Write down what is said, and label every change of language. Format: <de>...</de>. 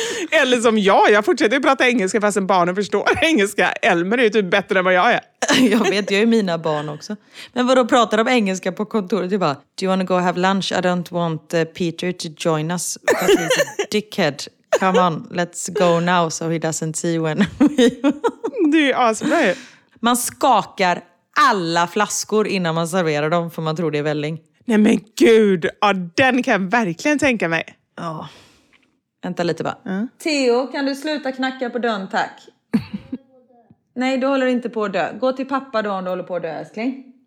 <sv>Eller som jag fortsätter prata engelska fast en barn förstår engelska. Elmer är ju typ bättre än vad jag är. Jag vet, jag är ju mina barn också. Men vadå, pratar om engelska på kontoret? Du bara,</sv> <en>do you want to go have lunch? I don't want Peter to join us. Because he's a dickhead. Come on, let's go now so he doesn't see when we...</en> <sv>Det är ju asbra ju. Man skakar alla flaskor innan man serverar dem för man tror det är välling. Nej men gud, ja, den kan jag verkligen tänka mig. Ja. Oh. Vänta lite bara. Mm. Theo, kan du sluta knacka på dörren, tack? Nej, du håller inte på att dö. Gå till pappa då om du håller på att dö, älskling.</sv>